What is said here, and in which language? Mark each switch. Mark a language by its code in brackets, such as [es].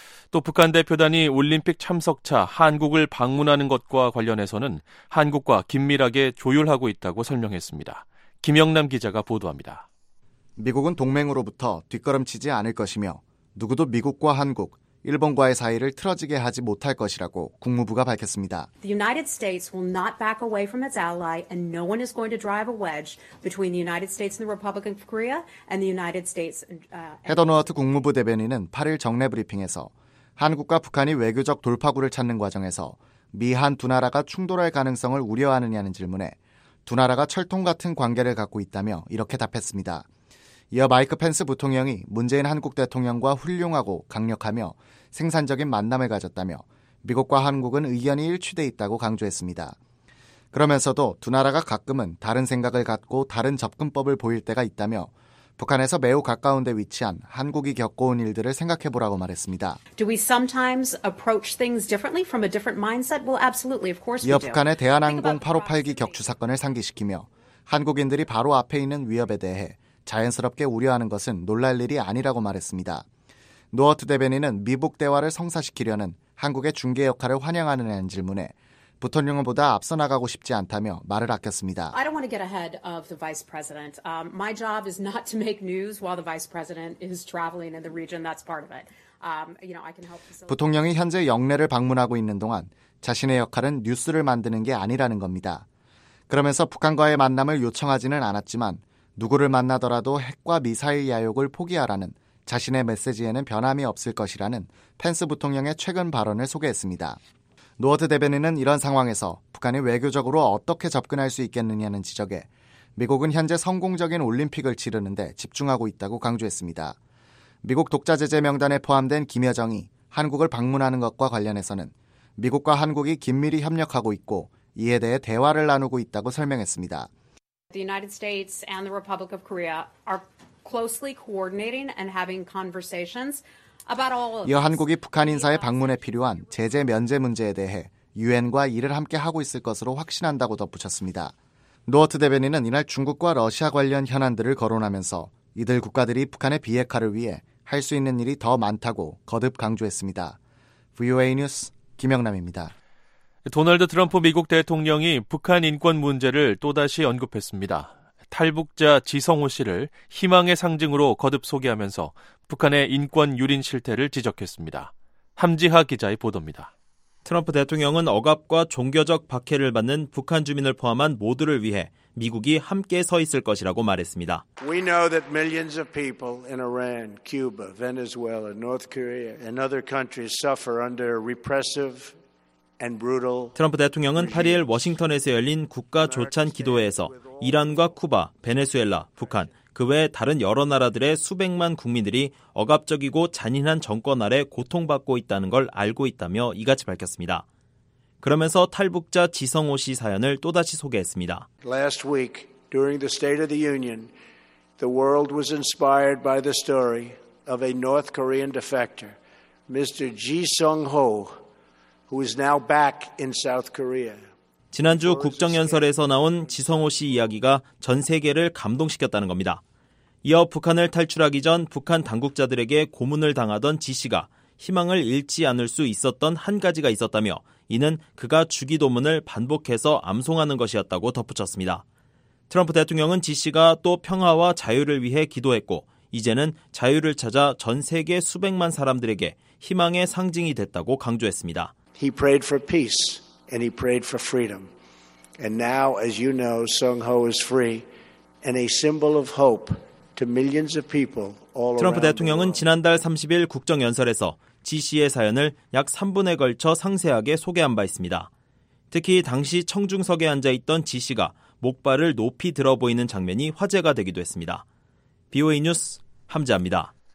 [ko] 또 북한 대표단이 올림픽 참석차 한국을 방문하는 것과 관련해서는 한국과 긴밀하게 조율하고 있다고 설명했습니다. 김영남 기자가 보도합니다. 미국은 동맹으로부터 뒷걸음치지 않을 것이며 누구도 미국과 한국, 일본과의 사이를 틀어지게 하지 못할 것이라고 국무부가 밝혔습니다. [en] The United States will not back away from its ally and no one is going to drive a wedge between the United States and the Republic of Korea and the United States. [ko] 헤더 노어트 국무부 대변인은 8일 정례 브리핑에서 한국과 북한이 외교적 돌파구를 찾는 과정에서 미한 두 나라가 충돌할 가능성을 우려하느냐는 질문에 두 나라가 철통 같은 관계를 갖고 있다며 이렇게 답했습니다. 이어 마이크 펜스 부통령이 문재인 한국 대통령과 훌륭하고 강력하며 생산적인 만남을 가졌다며 미국과 한국은 의견이 일치돼 있다고 강조했습니다. 그러면서도 두 나라가 가끔은 다른 생각을 갖고 다른 접근법을 보일 때가 있다며 북한에서 매우 가까운 데 위치한 한국이 겪어온 일들을 생각해보라고 말했습니다. [en] Do we sometimes approach things differently from a different mindset? Well, absolutely, of course we do. [ko] 이어 북한의 대한항공 858기 격추 사건을 상기시키며 한국인들이 바로 앞에 있는 위협에 대해 자연스럽게 우려하는 것은 놀랄 일이 아니라고 말했습니다. 노어트 대변인은 미북 대화를 성사시키려는 한국의 중개 역할을 환영하느냐는 질문에 부통령보다 앞서 나가고 싶지 않다며 말을 아꼈습니다. [en] I don't want to get ahead of the vice president. My job is not to make news while the vice president is traveling in the region. That's part of it. You know, I can help facilitate. [ko] 부통령이 현재 영내를 방문하고 있는 동안 자신의 역할은 뉴스를 만드는 게 아니라는 겁니다. 그러면서 북한과의 만남을 요청하지는 않았지만 누구를 만나더라도 핵과 미사일 야욕을 포기하라는 자신의 메시지에는 변함이 없을 것이라는 펜스 부통령의 최근 발언을 소개했습니다. 노어트 대변인은 이런 상황에서 북한이 외교적으로 어떻게 접근할 수 있겠느냐는 지적에 미국은 현재 성공적인 올림픽을 치르는데 집중하고 있다고 강조했습니다. 미국 독자 제재 명단에 포함된 김여정이 한국을 방문하는 것과 관련해서는 미국과 한국이 긴밀히 협력하고 있고 이에 대해 대화를 나누고 있다고 설명했습니다. The United States and the Republic of Korea are closely coordinating and having conversations about all of this. 이어 한국이 북한 인사의 방문에 필요한 제재 면제 문제에 대해 UN과 일을 함께 하고 있을 것으로 확신한다고 덧붙였습니다. 노어트 대변인은 이날 중국과 러시아 관련 현안들을 거론하면서 이들 국가들이 북한의 비핵화를 위해 할 수 있는 일이 더 많다고 거듭 강조했습니다. VOA 뉴스 김영남입니다. 도널드 트럼프 미국 대통령이 북한 인권 문제를 또다시 언급했습니다. 탈북자 지성호 씨를 희망의 상징으로 거듭 소개하면서 북한의 인권 유린 실태를 지적했습니다. 함지하 기자의 보도입니다. 트럼프 대통령은 억압과 종교적 박해를 받는 북한 주민을 포함한 모두를 위해 미국이 함께 서 있을 것이라고 말했습니다. [en] We know that millions of people in Iran, Cuba, Venezuela, North Korea and other countries suffer under repressive [ko] 트럼프 대통령은 8일 워싱턴에서 열린 국가조찬 기도회에서 이란과 쿠바, 베네수엘라, 북한, 그 외 다른 여러 나라들의 수백만 국민들이 억압적이고 잔인한 정권 아래 고통받고 있다는 걸 알고 있다며 이같이 밝혔습니다. 그러면서 탈북자 지성호 씨 사연을 또다시 소개했습니다. [en] Last week, during the State of the Union, the world was inspired by the story of a North Korean defector, Mr. Ji Sung-ho, who is now back in South Korea. [ko] 지난주 국정연설에서 나온 지성호 씨 이야기가 전 세계를 감동시켰다는 겁니다. 이어 북한을 탈출하기 전 북한 당국자들에게 고문을 당하던 지 씨가 희망을 잃지 않을 수 있었던 한 가지가 있었다며 이는 그가 주기도문을 반복해서 암송하는 것이었다고 덧붙였습니다. 트럼프 대통령은 지씨가 또 평화와 자유를 위해 기도했고 이제는 자유를 찾아 전 세계 수백만 사람들에게 희망의 상징이 됐다고 강조했습니다. [en] He prayed for peace and he prayed for freedom. And now, as you know, Sung-ho is free and a symbol of hope to millions of people all around the world. [ko] 트럼프 대통령은 지난달 30일 국정연설에서 지 씨의 사연을 약 3분에 걸쳐 상세하게 소개한 바 있습니다. 특히 당시 청중석에 앉아있던 지 씨가 목발을 높이 들어 보이는 장면이 화제가 되기도 했습니다. BOA 뉴스 함재합니다.